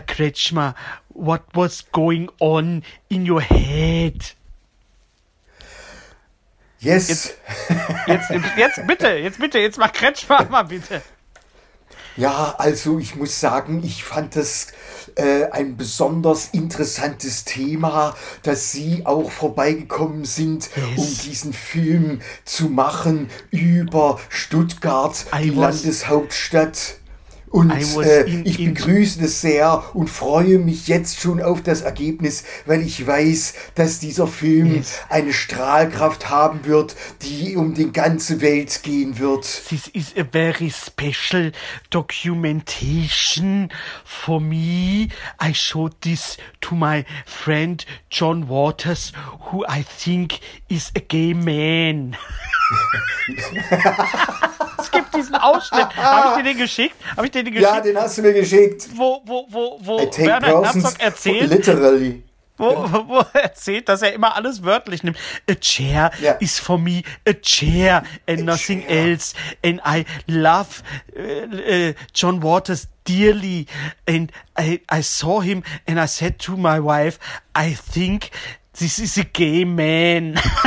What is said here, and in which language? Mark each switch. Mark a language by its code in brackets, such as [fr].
[en] Kretschmer, what was going on in your head? Yes. [de] Jetzt mach Kretschmer mal bitte. Ja, also ich muss sagen, ich fand das ein besonders interessantes Thema, dass Sie auch vorbeigekommen sind, um diesen Film zu machen über Stuttgart, Landeshauptstadt. Und ich begrüße es sehr und freue mich jetzt schon auf das Ergebnis, weil ich weiß, dass dieser Film eine Strahlkraft haben wird, die um die ganze Welt gehen wird. [en] This is a very special documentation for me. I showed this to my friend John Waters, who I think is a gay man. [de] Es gibt diesen Ausschnitt. Habe ich dir den geschickt? Ja, den hast du mir geschickt. Wo Werner Herzog erzählt. [en] Literally. [de] Wo erzählt, dass er immer alles wörtlich nimmt. [en] A chair is for me a chair and a nothing chair. Else. And I love John Waters dearly. And I saw him and I said to my wife, I think this is a gay man.